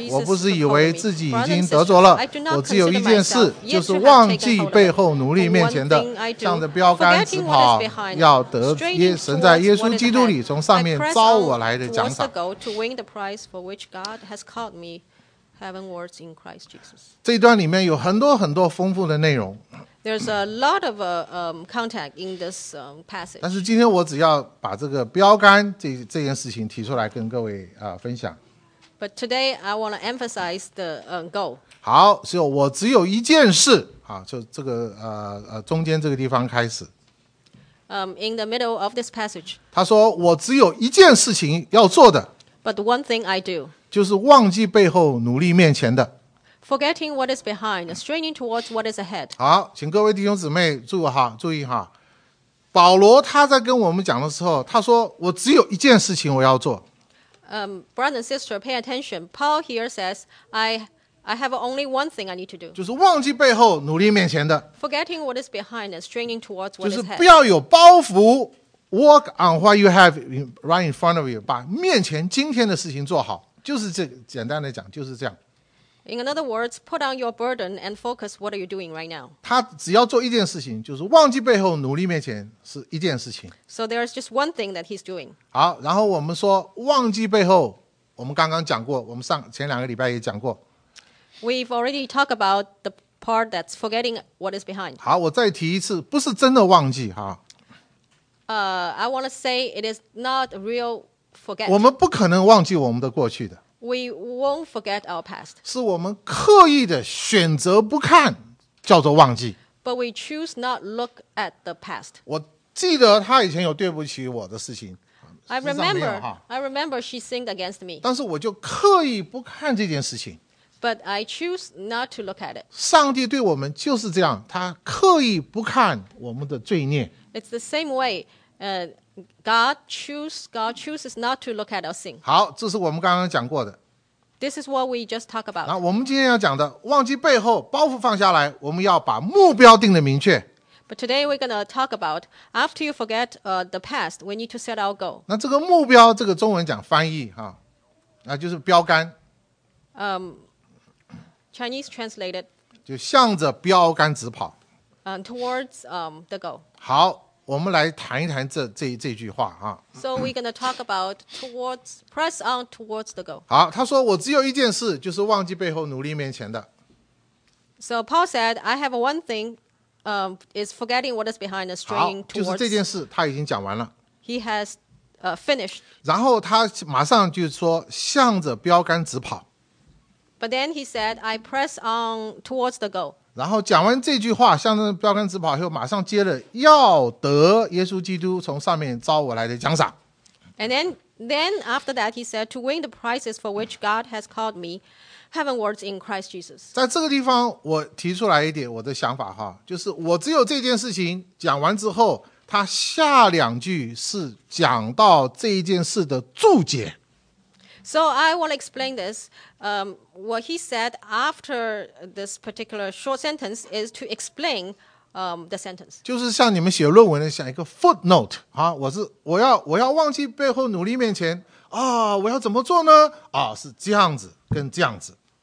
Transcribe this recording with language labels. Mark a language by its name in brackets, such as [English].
[Chinese] 我不是以为自己已经得着了，我只有一件事，就是忘记背后努力面前的，向着标杆直跑，要得神在耶稣基督里从上面召我来的奖赏。 [English] To win the prize for which God has called me heavenwards in Christ Jesus. [Chinese] 这一段里面有很多很多丰富的内容。 [English] There's a lot of contact in this passage. [Chinese] 但是今天我只要把这个标杆这件事情提出来跟各位分享。 [English] But today I want to emphasize the goal. [Chinese] 好，所以我只有一件事啊，就这个中间这个地方开始。 [English] In the middle of this passage, [Chinese] 他说我只有一件事情要做的。 [English] But one thing I do, [Chinese] 就是忘记背后，努力面前的。 [English] Forgetting what is behind, straining towards what is ahead. [Chinese] 好，请各位弟兄姊妹注意哈，注意哈。保罗他在跟我们讲的时候，他说我只有一件事情我要做。 [English] Brother and sister, pay attention. Paul here says, I have only one thing I need to do. [Chinese] 就是忘记背后，努力面前的。 [English] Forgetting what is behind and straining towards what is ahead. [Chinese] 就是不要有包袱。 [English] Work on what you have right in front of you. [Chinese] 把面前今天的事情做好，就是这简单的讲，就是这样。 [English] In other words, put on your burden and focus. What are you doing right now? [Chinese] 他只要做一件事情，就是忘记背后，努力面前是一件事情。 [English] So there is just one thing that he's doing. [Chinese] 好，然后我们说忘记背后，我们刚刚讲过，我们上前两个礼拜也讲过。 [English] We've already talked about the part that's forgetting what is behind. [Chinese] 好，我再提一次，不是真的忘记哈。 [English] I want to say it is not real forget. [Chinese] 我们不可能忘记我们的过去的。 [English] We won't forget our past. [Chinese] 是我们刻意的选择不看，叫做忘记。 [English] But we choose not look at the past. [Chinese] 我记得他以前有对不起我的事情。 [English] I remember she sinned against me. [Chinese] 但是我就刻意不看这件事情。 [English] But I choose not to look at it. [Chinese] 上帝对我们就是这样，他刻意不看我们的罪孽。 [English] It's the same way. God chooses not to look at our sin. [Chinese] 好，这是我们刚刚讲过的。 [English] This is what we just talked about. [Chinese] 那我们今天要讲的，忘记背后，包袱放下来，我们要把目标定得明确。 [English] But today we're going to talk about after you forget the past, we need to set our goal. [Chinese] 那这个目标，这个中文讲翻译哈，那就是标杆。 [English] Chinese translated. [Chinese] 就向着标杆直跑。 [English] Towards the goal. [Chinese] 好，我们来谈一谈这句话啊。 [English] So we're going to talk about towards press on towards the goal. [Chinese] 好，他说我只有一件事，就是忘记背后，努力面前的。 [English] So Paul said, I have one thing, is forgetting what is behind and straining towards. [Chinese] 就是这件事，他已经讲完了。 [English] He has finished. [Chinese] 然后他马上就说向着标杆直跑。 [English] But then he said, I press on towards the goal. [Chinese] 然后讲完这句话，向着标杆直跑以后，马上接了要得耶稣基督从上面召我来的奖赏。 [English] And then after that he said, to win the prizes for which God has called me heavenwards in Christ Jesus. [Chinese] 在这个地方我提出来一点我的想法哈，就是我只有这件事情讲完之后，他下两句是讲到这一件事的注解。 [English] So I will explain this. What he said after this particular short sentence is to explain the sentence. [Chinese] 就是像你们写论文的像一个 footnote, 啊，我要忘记背后努力面前，啊，我要怎么做呢？啊，是这样子跟这样子。